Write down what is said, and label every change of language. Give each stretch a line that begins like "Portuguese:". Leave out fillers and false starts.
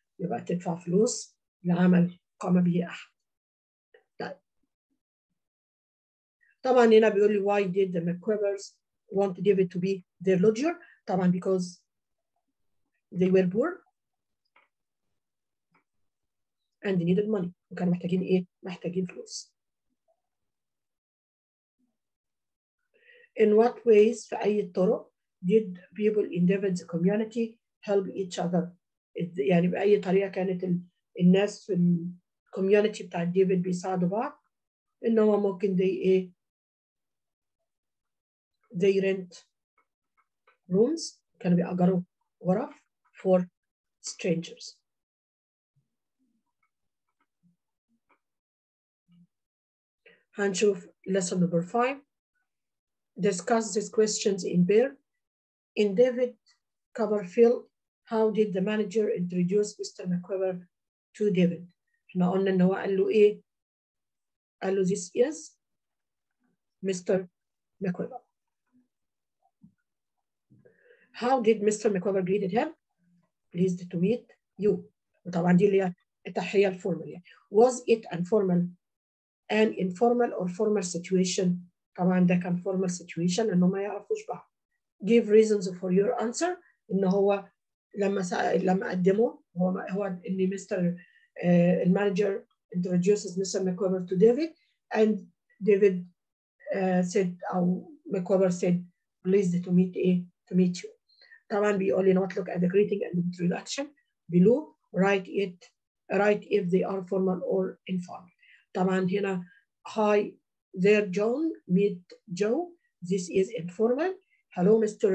Arabic: يبقى تدفع فلوس لعمل قام به أحد. طبعاً هنا بيقول لي
English: why did the McQuivers want David to be their lodger? طبعاً because they were poor and needed money.
Arabic: وكانوا محتاجين إيه؟ محتاجين فلوس.
English: In what ways,
Arabic: في أي طرق,
English: did people in David's community help each other?
Arabic: يعني بأي طريقة كانت الناس في ال community بتاع ديفيد بيساعدوا بعض؟ إنهم ممكن they إيه؟
English: They rent rooms,
Arabic: كانوا بيأجروا غرف
English: for strangers.
Arabic: هنشوف
English: lesson number 5. Discuss these questions in pair. In David Coverfield, how did the manager introduce Mr. McQuiver to David?
Arabic: احنا قلنا ان هو قال له ايه؟ قال له
English: this is Mr. McQuiver. How did Mr. McQuiver greet him? Pleased to meet you.
Arabic: وطبعا دي اللي هي التحية الفورمال.
English: Was it informal? An informal or formal situation?
Arabic: طبعا ده كان
English: formal situation
Arabic: انه ما يعرفوش بعض.
English: Give reasons for your answer.
Arabic: انه هو لما قدمه هو اني مستر المانجر
English: introduces Mr. McQuiver to David and David said او McQuiver said pleased to meet you.
Arabic: طبعا بيقول لي
English: not look at the greeting and introduction below. Write if they are formal or informal.
Arabic: طبعا هنا
English: hi there John, meet Joe, this is informal. Hello Mr.